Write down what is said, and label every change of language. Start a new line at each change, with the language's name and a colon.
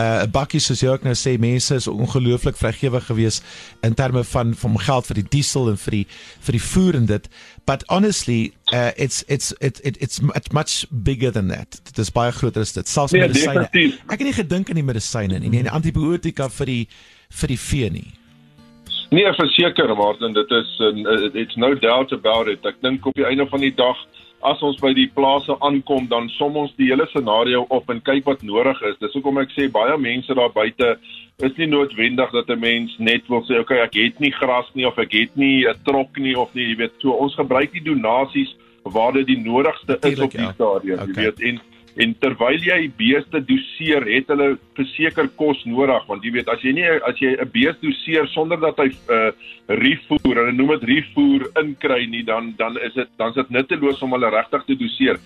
Afrikaans: Bakkie soos jy ook nou sê, mense is ongelooflik vrygewig gewees in terme van geld vir die diesel en vir die voer en dit.
English: But honestly, it's much bigger than that.
Afrikaans: Dit is baie groter as dit. Selfs medisyne. Ek het nie gedink aan die medisyne nie, en die antibiotika vir die vee nie. Nee, verseker, Martin, dit is,
English: it's no doubt about it.
Afrikaans: Ek dink op die einde van die dag, as ons by die plase aankom, dan som ons die hele scenario op en kyk wat nodig is. Dis ook om ek sê, baie mense daar buiten, is nie noodwendig dat een mens net wil sê, okay, ek het nie gras nie, of ek het nie trok nie, of nie, jy weet, so ons gebruik die donasies waar dit die nodigste is op die stadium, jy weet, en terwyl jy beeste doseer, het hulle verseker kos nodig, want jy weet, as jy 'n beeste doseer sonder dat hy refoer, hulle noem het refoer, inkry nie, dan is dit nutteloos om hulle regtig te doseer.